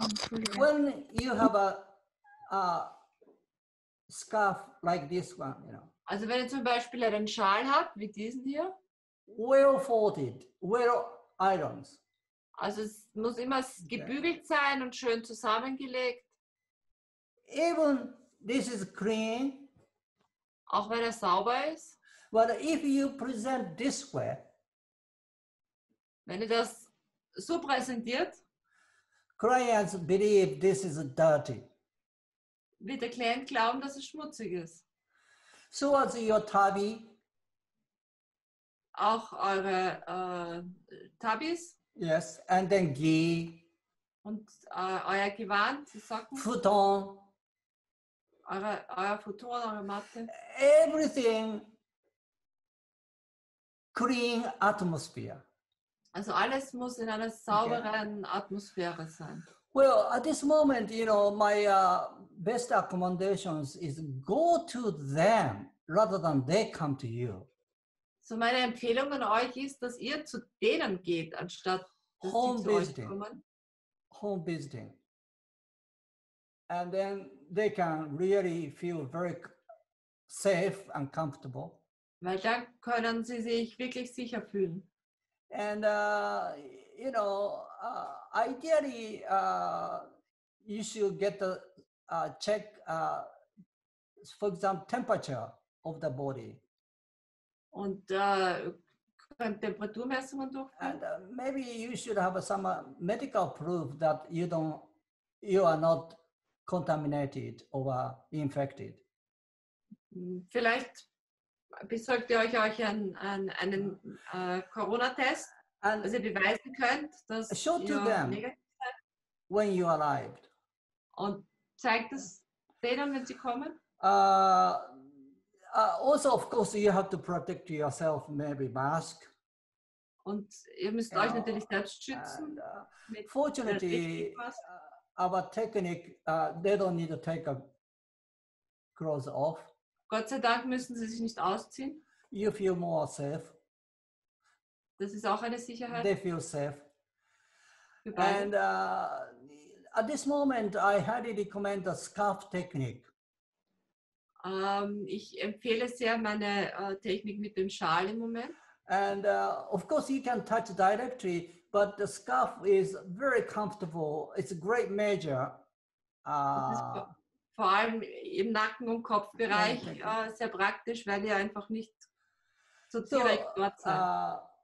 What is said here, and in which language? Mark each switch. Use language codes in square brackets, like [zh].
[en] When you have a scarf like this one, [de] Also wenn ihr zum Beispiel einen Schal habt, wie diesen hier. [en] Well folded, well ironed. [de] Also es muss immer gebügelt sein und schön zusammengelegt. [en] Even this is clean. [de] Auch wenn er sauber ist. [en] But if you present this way. [de] Wenn ihr das so präsentiert. [en] Clients believe this is dirty. [de] Wird der Klient glauben, dass es schmutzig ist? [en] So as your tabi. [de] Auch eure Tabis? [en] Yes, and then gi. [de] Und euer Gewand, Sie sagten? [en] Futon. [de] Euer Futon, eure Matte. [en] Everything clean atmosphere. [de] Also alles muss in einer sauberen Atmosphäre sein. [en] Well, at this moment, my best accommodations is go to them rather than they come to you. [de] So meine Empfehlung an euch ist, dass ihr zu denen geht, anstatt dass [en] home [de] sie zu [en] visiting. [de] Euch kommen. [en] Home visiting. And then they can really feel very safe and comfortable. [de] Weil dann können sie sich wirklich sicher fühlen. [en] And ideally you should get a check for example temperature of the body [de] und Temperaturmessungen durchführen. [en] And maybe you should have some medical proof that you are not contaminated or infected. [de] Vielleicht besorgt ihr euch einen Corona-Test. [en] And [de] also beweisen könnt, dass [en] show to them when you arrived. [de] Und zeigt es denen, wenn sie kommen. [en] Also, of course, you have to protect yourself, maybe mask. [de] Und ihr müsst euch natürlich selbst schützen. [en] Fortunately, our technique, they don't need to take a clothes off. [de] Gott sei Dank müssen sie sich nicht ausziehen. [en] You feel more safe. [de] Das ist auch eine Sicherheit. [en] They feel safe. And at this moment, I highly recommend the scarf technique. [de] Ich empfehle sehr meine Technik mit dem Schal im Moment. [en] And of course, you can touch directly, but the scarf is very comfortable. It's a great measure. [de] Vor allem im Nacken- und Kopfbereich sehr praktisch, weil ihr einfach nicht so direkt dort seid.